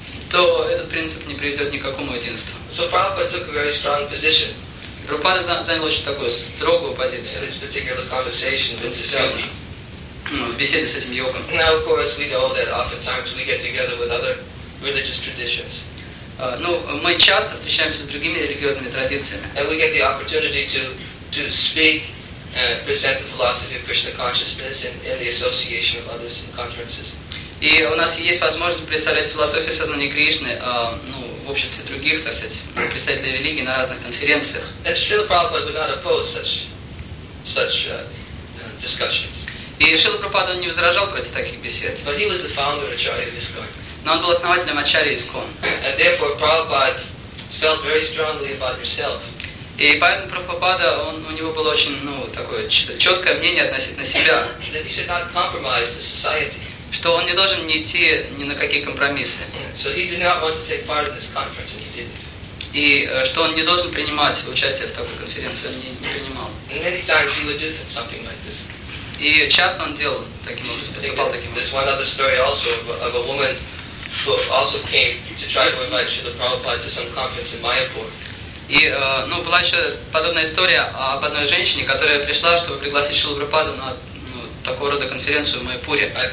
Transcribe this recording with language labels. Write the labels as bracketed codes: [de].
[ru] то этот принцип не приведет ни к какому единству. [en] So Prabhupada took a very strong position. [ru] Прабхупада занял очень такую строгую позицию. [en] This particular conversation with the yogi. [ru] Беседы с этим йогом. [en] Now, of course, we know that oftentimes we get together with other religious traditions. [ru] Ну, мы часто встречаемся с другими религиозными традициями. [en] And we get the opportunity to speak and present the philosophy of Krishna consciousness in the association of others in conferences. [ru] И у нас есть возможность представлять философию сознания Кришны в обществе других, так сказать, представителей религии на разных конференциях. [en] And Srila Prabhupada would not oppose such discussions. [ru] И Шрила Прабхупада не возражал против таких бесед. [en] But he was the founder of Acharya ISKCON. [ru] Но он был основателем Ачарьи ИСКОН. [en] And therefore Prabhupada felt very strongly about himself. [ru] И поэтому Прабхупада, у него было очень, такое четкое мнение относительно себя. [en] That he should not compromise the society. [ru] Что он не должен не идти ни на какие компромиссы. [en] So he did not want to take part in this conference, and he didn't. [ru] И что он не должен принимать участие в такой конференции, он не принимал. [en] And many times he would do something like this. [ru] И часто он делал таким образом, поступал таким образом. [en] There's one other story also of a woman who also came to try to invite Srila Prabhupada to some conference in Mayapur. [ru] И была еще подобная история об одной женщине, которая пришла, чтобы пригласить Шрилу Прабхупаду на такого рода конференцию в Майпуре.